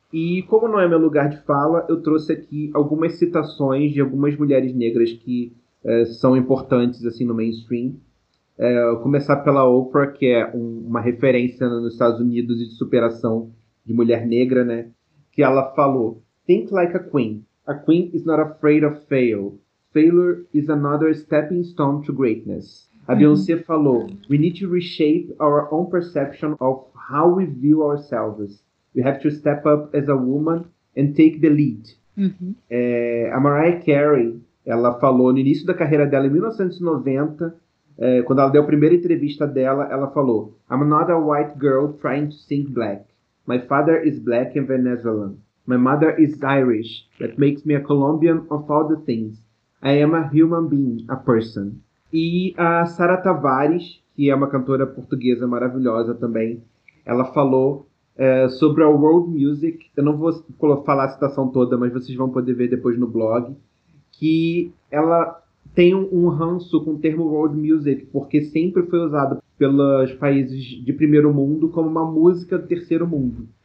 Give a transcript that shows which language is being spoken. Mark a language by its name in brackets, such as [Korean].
[Portuguese] E como não é meu lugar de fala, eu trouxe aqui algumas citações de algumas mulheres negras que são importantes, assim, no mainstream. Começar pela Oprah, que é uma referência nos Estados Unidos de superação de mulher negra, né? [English] Que ela falou: "Think like a queen. A queen is not afraid of fail. Failure is another stepping stone to greatness." A Beyoncé falou: "We need to reshape our own perception of how we view ourselves. We have to step up as a woman and take the lead." [Portuguese] A Mariah Carey, ela falou no início da carreira dela, em 1990, quando ela deu a primeira entrevista dela, ela falou: "I'm not a white girl trying to sing black. [English] My father is black and Venezuelan. My mother is Irish. That makes me a Colombian of all the things. I am a human being, a person." [Portuguese] E a Sara Tavares, que é uma cantora portuguesa maravilhosa também, ela falou sobre a world music. Eu não vou falar a citação toda, mas vocês vão poder ver depois no blog, que ela tem um ranço com o termo world music, porque sempre foi usado pelos países de primeiro mundo como uma música do terceiro mundo.